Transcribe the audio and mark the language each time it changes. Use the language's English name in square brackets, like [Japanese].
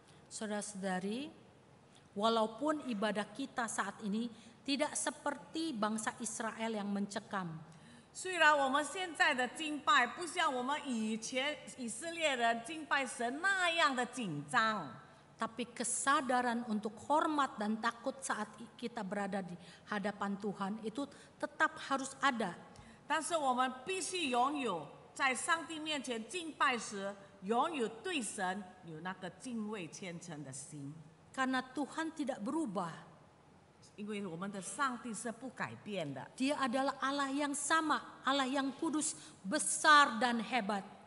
[Indonesian] Saudara-saudari, walaupun ibadah kita saat ini tidak seperti bangsa Israel yang mencekam. [Chinese] 虽然我们现在的敬拜不像我们以前以色列人敬拜神那样的紧张。 [Indonesian] Tapi kesadaran untuk hormat dan takut saat kita berada di hadapan Tuhan itu tetap harus ada. [Chinese] 但是我们必须拥有 在上帝面前敬拜时，拥有对神有那个敬畏虔诚的心。 [Indonesian] Karena Tuhan tidak berubah. [Chinese] 因为我们的上帝是不改变的。 [Indonesian] Dia adalah Allah yang sama, Allah yang kudus, besar dan hebat.